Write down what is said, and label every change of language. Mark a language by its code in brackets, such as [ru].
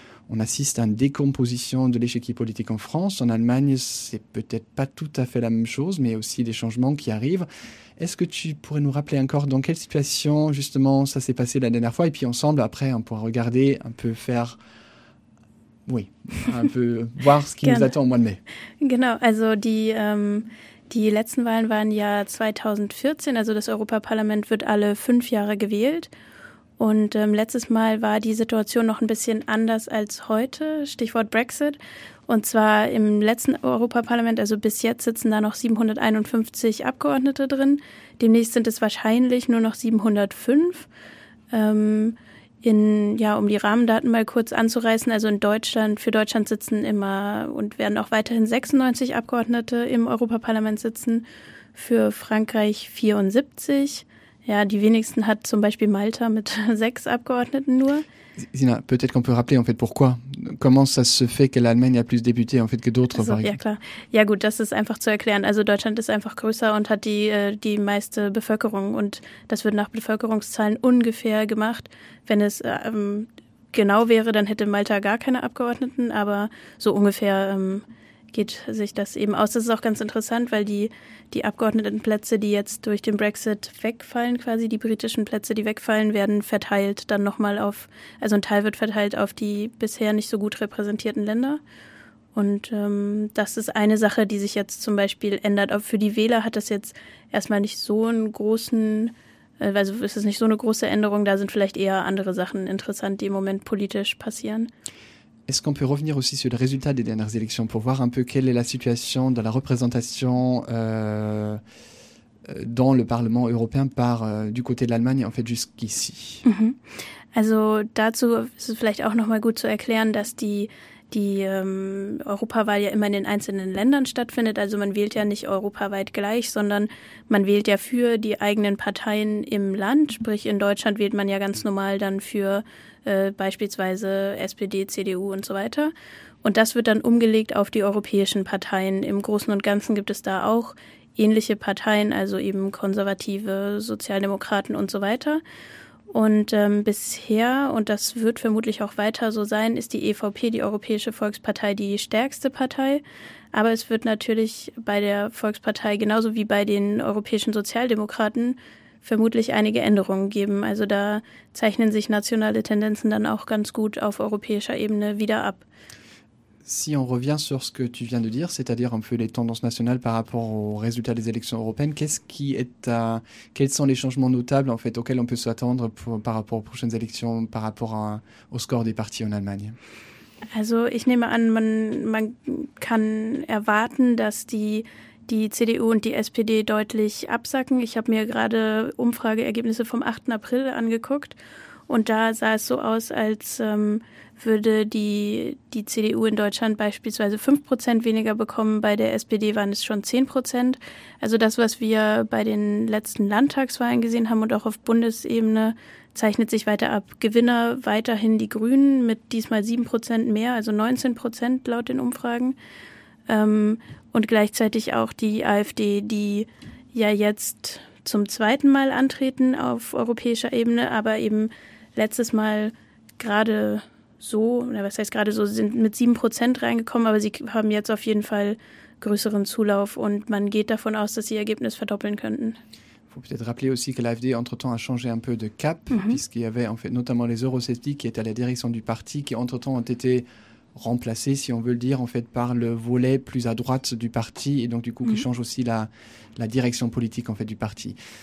[fr] On assiste à une décomposition de l'échiquier politique en France. En Allemagne, c'est peut-être pas tout à fait la même chose, mais aussi des changements qui arrivent. Est-ce que tu pourrais nous rappeler encore dans quelle situation, justement, ça s'est passé la dernière fois? Et puis ensemble, après, on pourra regarder, un peu faire... Oui, un peu voir ce qui nous attend au mois de mai. [de] Genau, also die letzten Wahlen waren ja 2014. Also das Europaparlament wird alle 5 Jahre gewählt. Und letztes Mal war die Situation noch ein bisschen anders als heute, Stichwort Brexit. Und zwar im letzten Europaparlament, also bis jetzt sitzen da noch 751 Abgeordnete drin. Demnächst sind es wahrscheinlich nur noch 705. Um die Rahmendaten mal kurz anzureißen, also in Deutschland, für Deutschland sitzen immer und werden auch weiterhin 96 Abgeordnete im Europaparlament sitzen, für Frankreich 74. Ja, die wenigsten hat zum Beispiel Malta mit 6 Abgeordneten nur. [fr] Sina, peut-être qu'on peut rappeler en fait pourquoi. Comment ça se fait que l'Allemagne a plus de députés en fait que d'autres? [de] Also, ja, klar. Ja, gut, das ist einfach zu erklären. Also, Deutschland ist einfach größer und hat die meiste Bevölkerung. Und das wird nach Bevölkerungszahlen ungefähr gemacht. Wenn es genau wäre, dann hätte Malta gar keine Abgeordneten. Aber so ungefähr geht sich das eben aus. Das ist auch ganz interessant, weil die Abgeordnetenplätze, die jetzt durch den Brexit wegfallen quasi, die britischen Plätze, die wegfallen, werden verteilt dann nochmal auf, also ein Teil wird verteilt auf die bisher nicht so gut repräsentierten Länder. Und das ist eine Sache, die sich jetzt zum Beispiel ändert. Auch für die Wähler hat das jetzt erstmal nicht so einen großen, also ist es nicht so eine große Änderung. Da sind vielleicht eher andere Sachen interessant, die im Moment politisch passieren. [fr] Est-ce qu'on peut revenir aussi sur le résultat des dernières élections pour voir un peu quelle est la situation de la représentation dans le Parlement européen par du côté de l'Allemagne en fait jusqu'ici? [de] Also dazu ist es vielleicht auch noch mal gut zu erklären, dass die Europawahl ja immer in den einzelnen Ländern stattfindet. Also man wählt ja nicht europaweit gleich, sondern man wählt ja für die eigenen Parteien im Land. Sprich, in Deutschland wählt man ja ganz normal dann für beispielsweise SPD, CDU und so weiter. Und das wird dann umgelegt auf die europäischen Parteien. Im Großen und Ganzen gibt es da auch ähnliche Parteien, also eben Konservative, Sozialdemokraten und so weiter. Und bisher, und das wird vermutlich auch weiter so sein, ist die EVP, die Europäische Volkspartei, die stärkste Partei. Aber es wird natürlich bei der Volkspartei genauso wie bei den europäischen Sozialdemokraten vermutlich einige Änderungen geben. Also da zeichnen sich nationale Tendenzen dann auch ganz gut auf europäischer Ebene wieder ab. [fr] Si on revient sur ce que tu viens de dire, c'est-à-dire un peu les tendances nationales par rapport aux résultats des élections européennes, quels sont les changements notables en fait auxquels on peut s'attendre par rapport aux prochaines élections, par rapport au score des partis en Allemagne? [de] Also, ich nehme an, man kann erwarten, dass die CDU und die SPD deutlich absacken. Ich habe mir gerade Umfrageergebnisse vom 8. April angeguckt. Und da sah es so aus, als würde die CDU in Deutschland beispielsweise 5% weniger bekommen. Bei der SPD waren es schon 10%. Also das, was wir bei den letzten Landtagswahlen gesehen haben und auch auf Bundesebene, zeichnet sich weiter ab. Gewinner weiterhin die Grünen mit diesmal 7% mehr, also 19% laut den Umfragen. Und gleichzeitig auch die AfD, die ja jetzt zum zweiten Mal antreten auf europäischer Ebene, aber eben letztes Mal gerade so, oder was heißt gerade so, sind mit 7% reingekommen, aber sie haben jetzt auf jeden Fall größeren Zulauf und man geht davon aus, dass sie ihr Ergebnis verdoppeln könnten. [fr] Faut peut-être rappeler aussi que l'AfD entre-temps a changé un peu de cap, puisqu'il y avait en fait notamment les eurosceptiques qui étaient à la direction du parti, qui entre-temps ont été remplacé, si on veut le dire, en fait, par le volet plus à droite du parti, et donc du coup qui change aussi la direction politique en fait du parti.